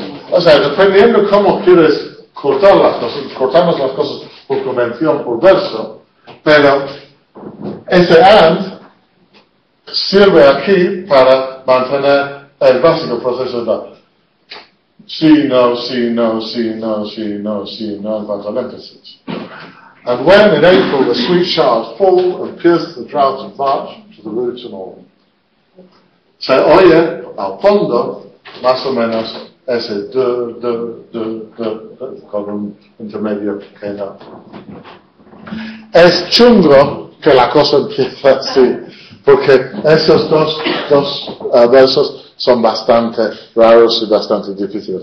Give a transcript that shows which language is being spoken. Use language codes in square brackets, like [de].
[es] O sea, dependiendo cómo quieres cortar las cosas, cortamos las cosas por convención, por verso, pero ese and sirve aquí para mantener el básico proceso de sí, no, sí, no, sí, no, sí, no, sí, no, en cuanto al énfasis. [en] And when in April the sweet showers fall and pierce the droughts of March to the roots and all. [es] Se oye al fondo más o menos ese de con un intermedio pequeño. Es chungo que la cosa empiece así, porque esos dos versos son bastante raros y bastante difíciles.